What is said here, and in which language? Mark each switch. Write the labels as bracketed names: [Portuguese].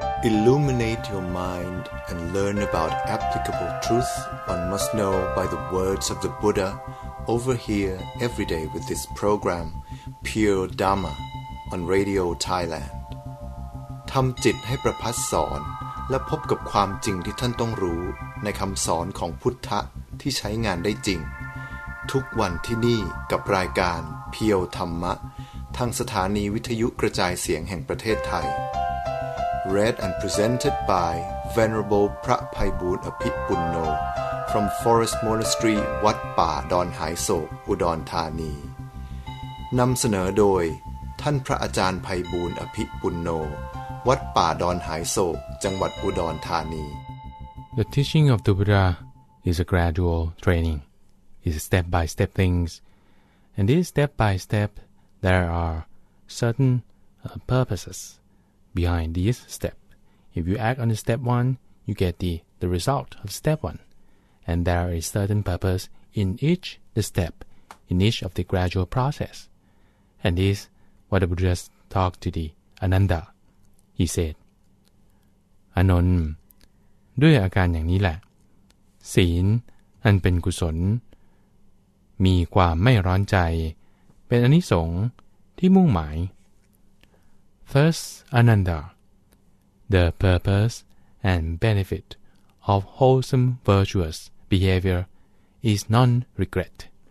[English] Illuminate your mind and learn about applicable truth one must know by the words of the Buddha over here every day with this program, Pure Dharma, on Radio Thailand. [Thai] ทำจิตให้ประพัสสอนและพบกับความจริงที่ท่านต้องรู้ในคำสอนของพุทธะที่ใช้งานได้จริงทุกวันที่นี่กับรายการเพียวธรรมะทางสถานีวิทยุกระจายเสียงแห่งประเทศไทย [English] Read and presented by Venerable [Thai] พระไพบูลย์อภิปุณโญ [English] from Forest Monastery [Thai] วัดป่าดอนหายโศกอุดรธานีนำเสนอโดยท่านพระอาจารย์ไพบูลย์อภิปุณโญวัดป่าดอนหายโศกจังหวัดอุดรธานี [English] The teaching of the Buddha is a gradual training. It's step-by-step things. And these step-by-step, there are certain purposes behind these steps. If you act on the step one, you get the result of step one. And there is certain purpose in each the step, in each of the gradual process. And this is what the Buddha talked to the Ananda. He said, Anon, [Thai] ด้วยอาการอย่างนี้แหละศีลอันเป็นกุศลมีความไม่ร้อนใจเป็นอนิสงส์ที่มุ่งหมาย [English] Thus, Ananda, the purpose and benefit of wholesome virtuous behavior is non-regret.